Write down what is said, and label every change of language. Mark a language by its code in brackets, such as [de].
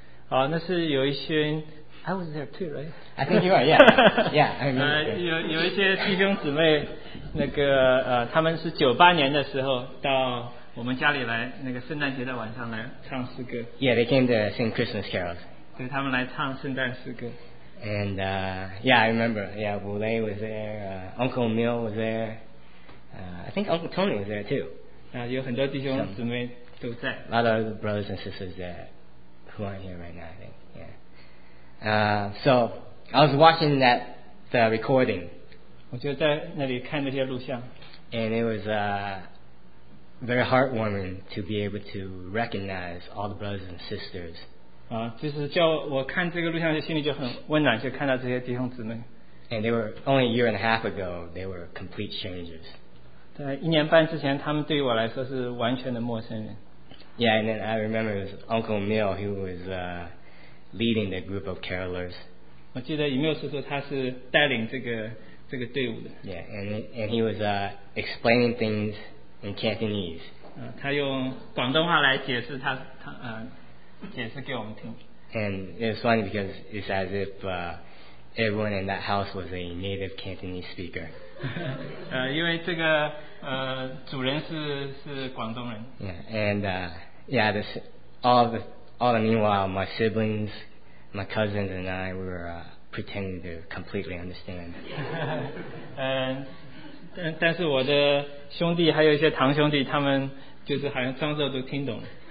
[zh] 那是有一些 [en] I was there too, right? I think you are. Yeah, yeah. I mean, [zh] 有一些弟兄姊妹，那个他们是98年的时候到。我们家里来那个圣诞节的晚上来唱诗歌。 [en] Yeah, they came to sing Christmas carols. [zh] 对，他们来唱圣诞诗歌。 [en] And yeah, I remember. Yeah, Boulay was there. Uncle Mill was there. I think Uncle Tony was there too. [zh] 有很多弟兄姊妹都在。 [en] A lot of the brothers and sisters there who aren't here right now, I think. Yeah. So I was watching that the recording. [zh] 我就在那里看那些录像。 [en] And it was very heartwarming to be able to recognize all the brothers and sisters. [zh] 就是叫我看这个录像，就心里就很温暖，就看到这些弟兄姊妹。 [en] And they were only a year and a half ago, they were complete strangers. [zh] 在一年半之前，他们对于我来说是完全的陌生人。 [en] Yeah, and then I remember it was Uncle Mill who was leading the group of carolers. [zh] 我记得Emil叔叔他是带领这个队伍的。 [en] Yeah, and he was explaining things. In Cantonese. [zh] 他用广东话来解释他解释给我们听。 [en] And it's funny because it's as if everyone in that house was a native Cantonese speaker. [zh] 因为这个主人是广东人。 [en] Yeah, and yeah, this all the meanwhile, my siblings, my cousins, and I were pretending to completely understand. And [zh] 但是我的兄弟还有一些堂兄弟，他们就是好像装作都听懂了。